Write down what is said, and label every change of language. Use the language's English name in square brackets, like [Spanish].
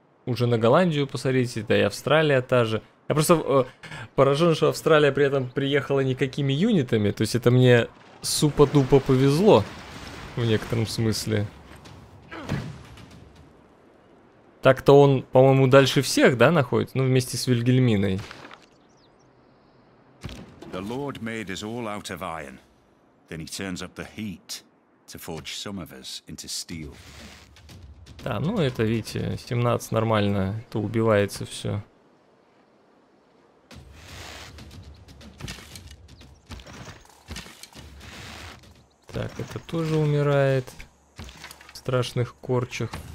[Russian] Уже на Голландию посмотрите, да и Австралия та же. Я просто поражен, что Австралия при этом приехала никакими юнитами. То есть это мне супа-дупа повезло в некотором смысле. Так-то он, по-моему, дальше всех, да, находится? Ну, вместе с Вильгельминой. [English] The Lord made us all out of iron. Then he turns up the heat to forge some of us into steel. [Russian] Да, ну это, видите, 17 нормально, то убивается все. Так, это тоже умирает. В страшных корчах.